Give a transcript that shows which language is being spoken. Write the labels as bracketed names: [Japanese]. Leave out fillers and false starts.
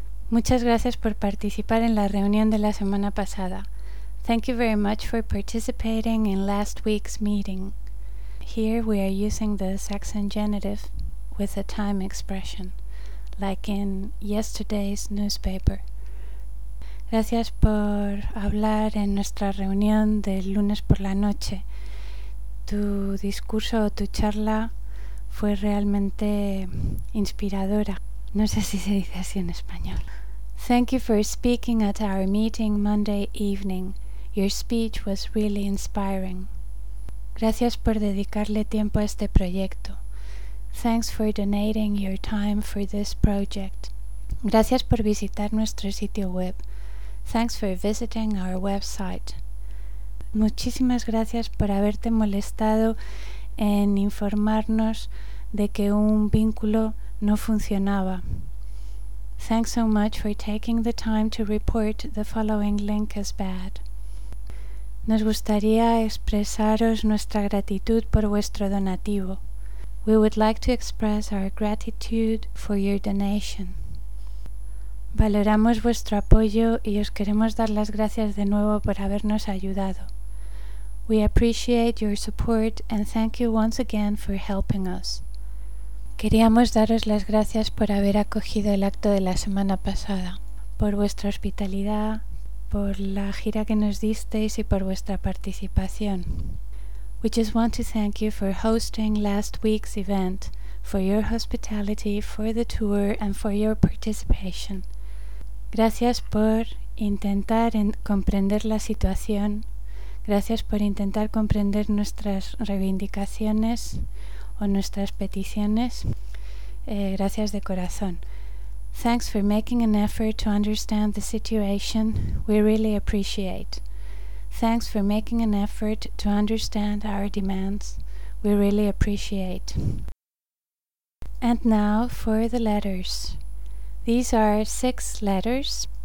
[Spanish] Muchas gracias por participar en la reunión de la semana pasada. [English] Thank you very much for participating in last week's meeting. Here we are using the Saxon genitive with a time expression, like in yesterday's newspaper. [Spanish] Gracias por hablar en nuestra reunión del lunes por la noche. Tu discurso o tu charla fue realmente inspiradora. No sé si se dice así en español. [English] Thank you for speaking at our meeting Monday evening. Your speech was really inspiring. [Spanish] Gracias por dedicarle tiempo a este proyecto. [English] Thanks for donating your time for this project. [Spanish] Gracias por visitar nuestro sitio web. [English] Thanks for visiting our website. [Spanish] Muchísimas gracias por haberte molestado en informarnos de que un vínculo no funcionaba. [English] Thanks so much for taking the time to report the following link is bad. [Spanish] Nos gustaría expresaros nuestra gratitud por vuestro donativo. [English] We would like to express our gratitude for your donation. [Spanish] Valoramos vuestro apoyo y os queremos dar las gracias de nuevo por habernos ayudado. [English] We appreciate your support and thank you once again for helping us. [Spanish] Queríamos daros las gracias por haber acogido el acto de la semana pasada, por vuestra hospitalidad, por la gira que nos disteis y por vuestra participación. [English] We just want to thank you for hosting last week's event, for your hospitality, for the tour and for your participation. [Spanish] Gracias por intentar comprender la situación. Gracias por intentar comprender nuestras reivindicaciones o nuestras peticiones. Gracias de corazón. [English] Thanks for making an effort to understand the situation. We really appreciate. Thanks for making an effort to understand our demands. We really appreciate. And now for the letters. These are 6 letters.